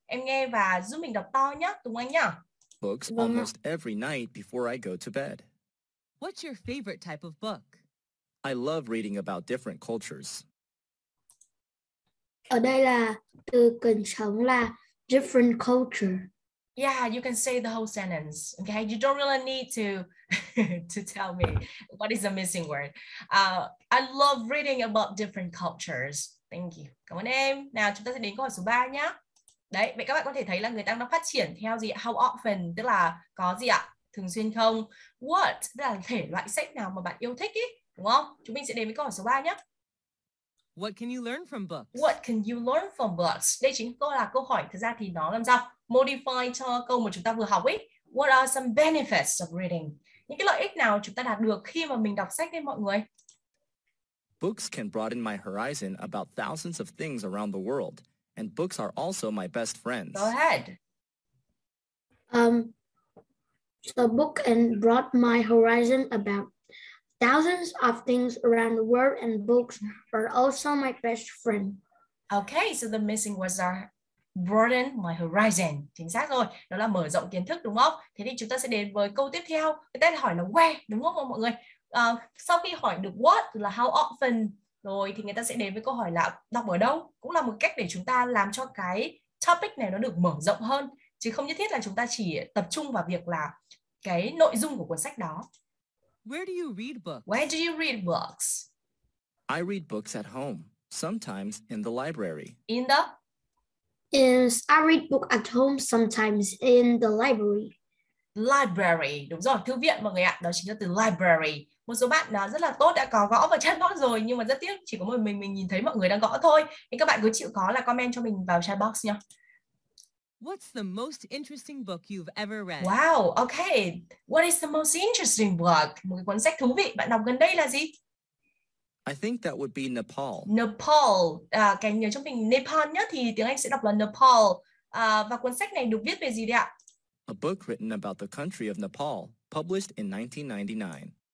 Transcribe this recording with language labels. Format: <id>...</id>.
<vi>Em nghe và giúp mình đọc to nhé, Tùng Anh nhá.</vi> <en>Books almost every night before I go to bed. What's your favorite type of book? I love reading about different cultures.</en> <vi>Ở đây là từ cần trống là different culture.</vi> <en>Yeah, you can say the whole sentence. Okay, you don't really need to to tell me what is the missing word. I love reading about different cultures. Thank you.</en> <vi>Cảm ơn em. Nào, chúng ta sẽ đến câu hỏi số 3 nhá. Đấy, vậy các bạn có thể thấy là người ta đang phát triển theo gì ạ? How often, tức là có gì ạ? Thường xuyên không? What, tức là thể loại sách nào mà bạn yêu thích ý, đúng không? Chúng mình sẽ đến với câu hỏi số 3 nhá.</vi> <en>What can you learn from books? What can you learn from books?</en> <vi>Đây chính là câu hỏi, thực ra thì nó làm sao? Modify cho câu mà chúng ta vừa học ý.</vi> <en>What are some benefits of reading?</en> <vi>Những cái lợi ích nào chúng ta đạt được khi mà mình đọc sách đây mọi người?</vi> <en>Books can broaden my horizon about thousands of things around the world. And books are also my best friends. Go ahead. So book can broaden my horizon about thousands of things around the world. And books are also my best friend. Okay, so the missing words are broaden my horizon.</en> <vi>Chính xác rồi. Đó là mở rộng kiến thức đúng không? Thế thì chúng ta sẽ đến với câu tiếp theo. Cái tên hỏi là where, đúng không mọi người? Sau khi hỏi được what là how often rồi thì người ta sẽ đến với câu hỏi là đọc ở đâu, cũng là một cách để chúng ta làm cho cái topic này nó được mở rộng hơn, chứ không nhất thiết là chúng ta chỉ tập trung vào việc là cái nội dung của cuốn sách đó.</vi> <en>Where do you read books? Where do you read books? I read books at home, sometimes in the library. In the? Yes, I read book at home sometimes in the library.</en> <vi>Library, đúng rồi, thư viện mọi người ạ, đó chính là từ library. Một số bạn đã rất là tốt đã có gõ vào chatbox rồi, nhưng mà rất tiếc chỉ có một mình nhìn thấy mọi người đang gõ thôi. Thì các bạn cứ chịu khó là comment cho mình vào chatbox nhá.</vi> <en>What's the most interesting book you've ever read? Wow, okay. What is the most interesting book?</en> <vi>Một cái cuốn sách thú vị bạn đọc gần đây là gì?</vi> <en>I think that would be Nepal. Nepal.</en> <vi>Cái nhớ cho mình Nepal nhá, thì tiếng Anh sẽ đọc là Nepal. Và cuốn sách này được viết về gì đấy ạ?</vi> <en>A book written about the country of Nepal, published in 1999.</en>